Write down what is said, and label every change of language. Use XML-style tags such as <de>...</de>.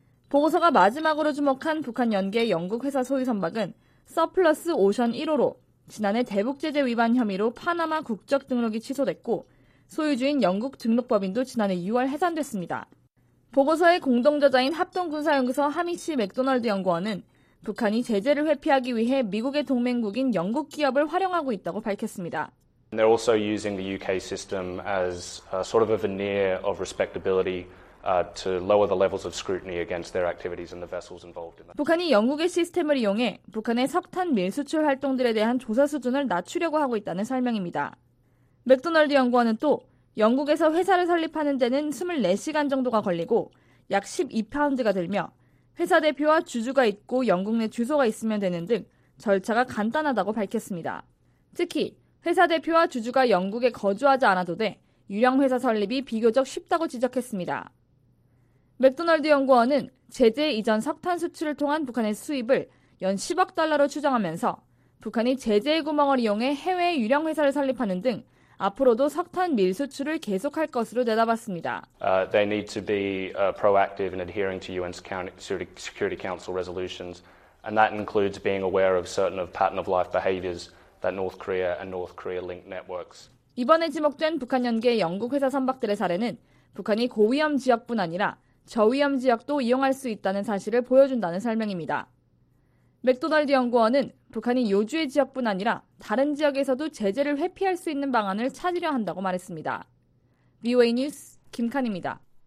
<ko>보고서가 마지막으로 주목한 북한 연계 영국 회사 소유 선박은 서플러스 오션 1호로 지난해 대북 제재 위반 혐의로 파나마 국적 등록이 취소됐고 소유주인 영국 등록법인도 지난해 6월 해산됐습니다. 보고서의 공동저자인 합동군사연구소 하미치 맥도널드 연구원은 북한이 제재를 회피하기 위해 미국의 동맹국인 영국 기업을 활용하고 있다고 밝혔습니다.</ko> <en>They're also using the UK system as sort of a veneer of respectability to lower the levels of scrutiny against their activities and the vessels involved in that.</en> <ko>북한이 영국의 시스템을 이용해 북한의 석탄 밀 수출 활동들에 대한 조사 수준을 낮추려고 하고 있다는 설명입니다. 맥도널드 연구원은 또 영국에서 회사를 설립하는 데는 24시간 정도가 걸리고 약 12파운드가 들며 회사 대표와 주주가 있고 영국 내 주소가 있으면 되는 등 절차가 간단하다고 밝혔습니다. 특히 회사 대표와 주주가 영국에 거주하지 않아도 돼 유령 회사 설립이 비교적 쉽다고 지적했습니다. 맥도널드 연구원은 제재 이전 석탄 수출을 통한 북한의 수입을 연 10억 달러로 추정하면서 북한이 제재의 구멍을 이용해 해외 유령 회사를 설립하는 등 앞으로도 석탄 밀 수출을 계속할 것으로 내다봤습니다.</ko> <en>They need to be proactive in adhering to UN Security Council resolutions, and that includes being aware of certain of pattern of life behaviors. That North Korea and North Korea link networks.</en> <ko>이번에 지목된 북한 연계 영국 회사 선박들의 사례는 북한이 고위험 지역뿐 아니라 저위험 지역도 이용할 수 있다는 사실을 보여준다는 설명입니다. 맥도널드 연구원은 북한이 요주의 지역뿐 아니라 다른 지역에서도 제재를 회피할 수 있는 방안을 찾으려 한다고 말했습니다. VOA 뉴스 김칸입니다.</ko>